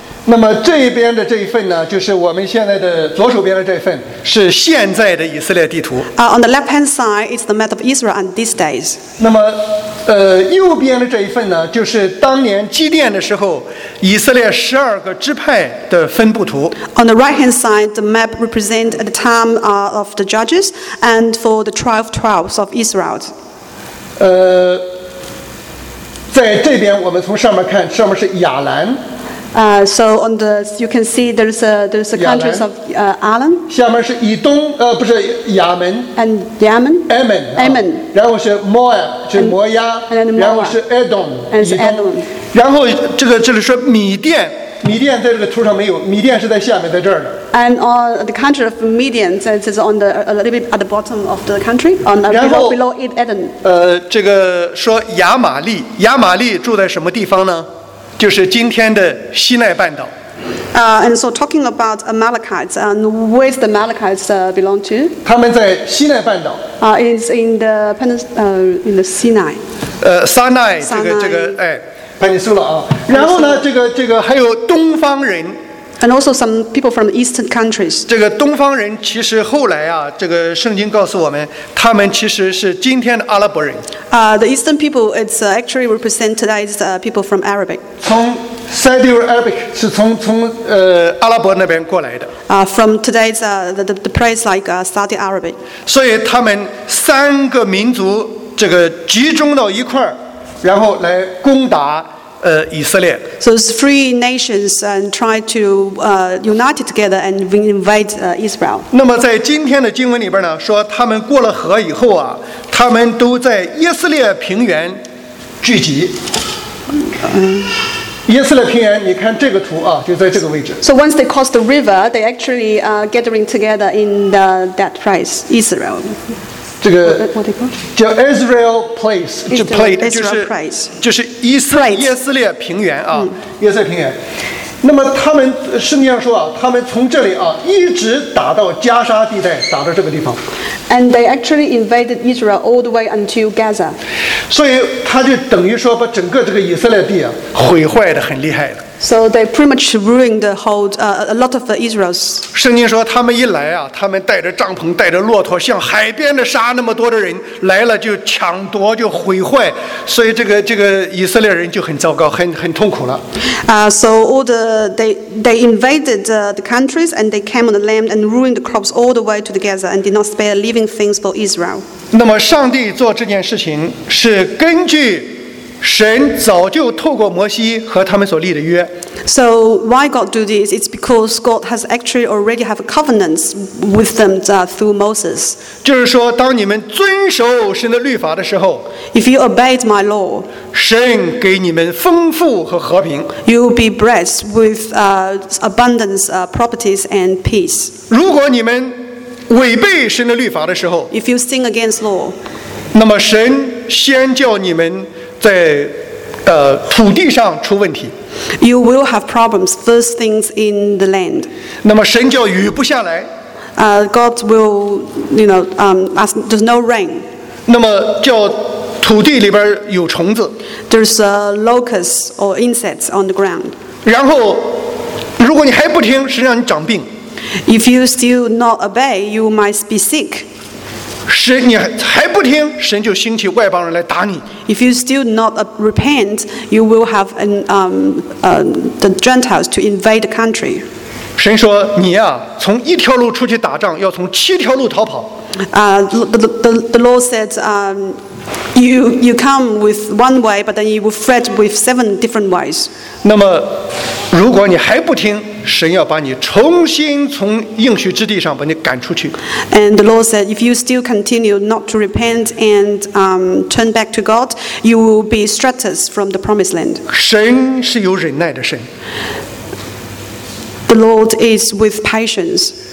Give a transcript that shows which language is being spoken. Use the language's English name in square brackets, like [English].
[Chinese] 那么这边的这一份呢，就是我们现在的左手边的这份，是现在的以色列地图。 [English] On the left hand side is the map of Israel on these days. [Chinese] 那么右边的这一份呢，就是当年基甸的时候以色列十二个支派的分布图。 [English] On the right hand side, the map represents the time of the judges and for the 12 tribes of Israel. [Chinese] 在这边我们从上面看，上面是亚兰。 [English] So on the you can see there's a countries of Alan. [Chinese] 下面是以东，不是亚门。 [English] And Yemen. Ammon. Ammon. [Chinese] 然后是 Moab， 是摩押。 [English] And then Moab. [Chinese] 然后是 Edom， 以东。然后这里说米甸，米甸在这个图上没有，米甸是在下面，在这儿的。 [English] And on the country of Midian, it is on the a little bit at the bottom of the country, on the below it Edom. [Chinese] 这个说亚玛利，亚玛利住在什么地方呢？就是今天的西奈半岛。 [English] And so talking about Amalekites, and where's the Amalekites belong to? [Chinese] 他们在西奈半岛。 [English] It's in the peninsula, in the Sinai. [Chinese] Sinai, 这个哎，peninsula 啊。然后呢，这个还有东方人。 [English] And also some people from eastern countries. [Chinese] 这个东方人其实后来啊，这个圣经告诉我们，他们其实是今天的阿拉伯人。 [English] The eastern people, it's actually represented as people from Arabic. [Chinese] 从 Saudi Arabic 是从阿拉伯那边过来的。 [English] From today's the place like Saudi Arabic. [Chinese] 所以他们三个民族这个集中到一块儿，然后来攻打。以色列。 [English] So it's three nations and try to unite together and invade Israel. [Chinese] 那么在今天的经文里边呢，说他们过了河以后啊，他们都在耶斯列平原聚集。耶斯列平原，你看这个图啊，就在这个位置。 [English] So once they cross the river, they actually gathering together in that place, Israel. [Chinese] 这个叫 Israel place， 就 [English] plate， [Chinese] 就是以色列平原啊，耶斯列平原。那么他们圣经上说啊，他们从这里啊一直打到加沙地带，打到这个地方。 [English] And they actually invaded Israel all the way until Gaza. [Chinese] 所以他就等于说把整个这个以色列地啊毁坏的很厉害的。 [English] So they pretty much ruined the whole a lot of Israel's. [Chinese] 圣经说他们一来啊，他们带着帐篷，带着骆驼，像海边的沙那么多的人来了，就抢夺，就毁坏，所以这个以色列人就很糟糕，很痛苦了。 [English] So all they invaded the countries and they came on the land and ruined the crops all the way to the Gaza and did not spare living things for Israel. [Chinese] 那么上帝做这件事情是根据。神早就透过摩西和他们所立的约。 [English] So why God do this? It's because God has actually already have a covenant with them through Moses. [Chinese] 就是说，当你们遵守神的律法的时候 [English] ，If you obey my law， [Chinese] 神给你们丰富和和平。 [English] You will be blessed with abundance, properties, and peace. [Chinese] 如果你们违背神的律法的时候 [English] ，If you sin against law， [Chinese] 那么神先叫你们。在土地上出问题。 [English] You will have problems first things in the land. [Chinese] 那么神叫雨不下来。 [English] God will, you know, ask, there's no rain. [Chinese] 那么叫土地里边有虫子。 [English] There's locusts or insects on the ground. [Chinese] 然后，如果你还不听，神让你长病。 [English] If you still not obey, you might be sick. [Chinese] 是你还不听，神就兴起外邦人来打你。 [English] If you still not repent, you will have the Gentiles to invade the country. [Chinese] 神说你啊，从一条路出去打仗，要从七条路逃跑。 [English] The Lord said, you come with one way, but then you will fret with seven different ways. [Chinese] 那么，如果你还不听，神要把你重新从应许之地上把你赶出去。 [English] And the Lord said, if you still continue not to repent and turn back to God, you will be struck from the promised land. [Chinese] 神是有忍耐的神。 [English] The Lord is with patience.